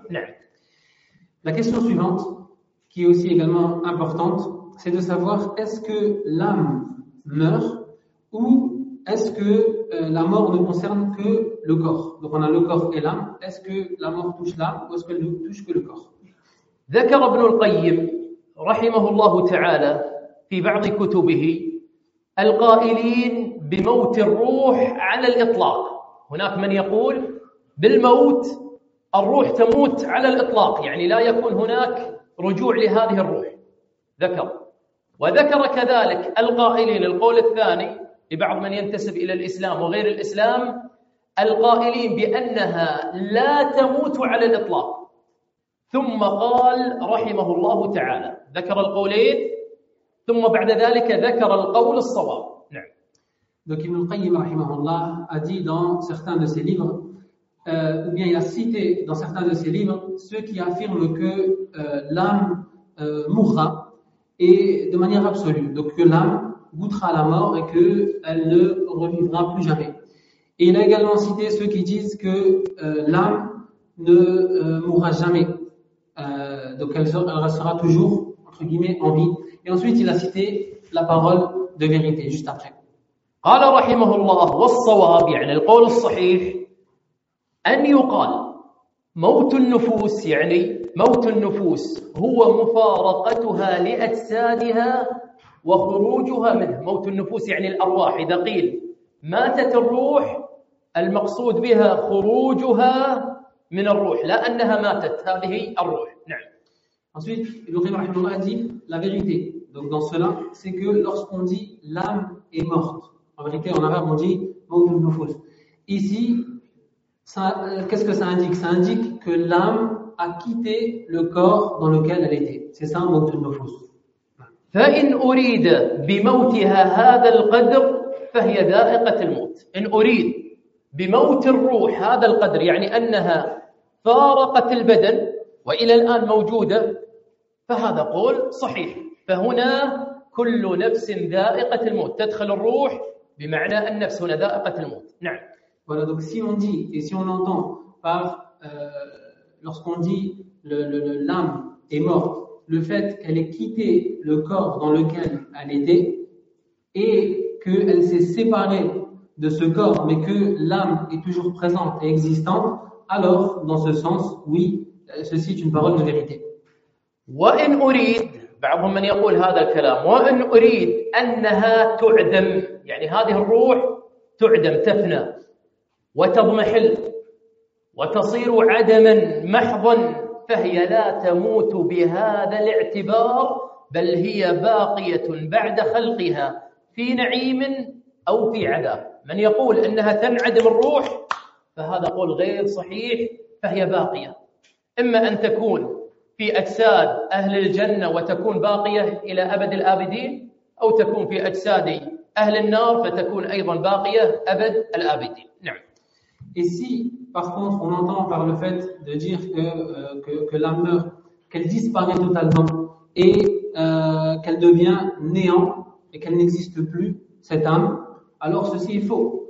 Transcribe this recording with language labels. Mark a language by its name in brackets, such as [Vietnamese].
[Arabic] نعم. [French] La question suivante, qui est aussi également importante, c'est de savoir est-ce que l'âme meurt ou est-ce que la mort ne concerne que le corps? Donc on a le corps et l'âme. Est-ce que la mort touche l'âme ou est-ce qu'elle ne touche que le corps? [Arabic] ذكر ابن القيم رحمه الله تعالى في بعض كتبه القائلين بموت الروح على الإطلاق. هناك من يقول بالموت الروح تموت على الإطلاق، يعني لا يكون هناك رجوع لهذه الروح. ذكر وذكر كذلك القائلين القول الثاني لبعض من ينتسب إلى الإسلام وغير الإسلام القائلين بأنها لا تموت على الإطلاق. ثم قال رحمه الله تعالى ذكر القولين ثم بعد ذلك ذكر القول الصواب. نعم. [French] Donc Ibn al-Qayyim rahimahullah a dit dans certains de ses livres ou bien il a cité dans certains de ses livres ceux qui affirment que l'âme mourra et de manière absolue, donc que l'âme goûtera la mort et que elle ne revivra plus jamais. Et il a également cité ceux qui disent que l'âme ne mourra jamais. donc elle restera toujours entre guillemets en vie. Et ensuite, il a cité la parole de vérité juste après. [Arabic] قال رحمه الله والصواب يعني القول الصحيح أن يقال موت النفوس يعني موت النفوس هو مفارقتها لأجسادها وخروجها منها. موت النفوس يعني الأرواح. إذا قيل ماتت الروح المقصود بها خروجها من الروح لا أنها ماتت هذه الروح. نعم. [French] Ensuite, le Rahim Rahim Allah a dit la vérité. Donc dans cela, c'est que lorsqu'on dit l'âme est morte. En vérité, en arabe, on dit « maut al-nufus ». Ici, ça, qu'est-ce que ça indique? Ça indique que l'âme a quitté le corps dans lequel elle était. C'est ça, « maut al-nufus ». [Arabic] فَإِنْ أُرِيدَ بِمَوْتِهَا هَذَا الْقَدْرِ فَهِيَ دَائِقَةِ الْمُوتِ. إن أريد بموت الروح هذا القدر يعني أنها فارقت البدن وإلى الآن موجودة فهذا قول صحيح. فهنا كل نفس دائقة الموت تدخل الروح بمعنى النفس هنا دائقة الموت. نعم. [French] Voilà, donc si on dit et si on entend par lorsqu'on dit l'âme est morte, le fait qu'elle ait quitté le corps dans lequel elle était et qu'elle s'est séparée de ce corps, mais que l'âme est toujours présente et existante, alors dans ce sens, oui, ceci est une parole de vérité. [Arabic] وإن أريد بعضهم من يقول هذا الكلام وإن أريد أنها تعدم يعني هذه الروح تعدم تفنى وتضمحل وتصير عدما محضا فهي لا تموت بهذا الاعتبار بل هي باقية بعد خلقها في نعيم أو في عذاب. من يقول أنها تنعدم الروح فهذا قول غير صحيح. فهي باقية إما أن تكون في أجساد أهل الجنة وتكون باقية إلى أبد الآبدين أو تكون في أجساد أهل النار فتكون أيضا باقية أبد الآبدين. نعم. [French] Et si, par contre, on entend par le fait de dire que l'âme meurt, qu'elle disparaît totalement et qu'elle devient néant et qu'elle n'existe plus, cette âme, alors ceci est faux.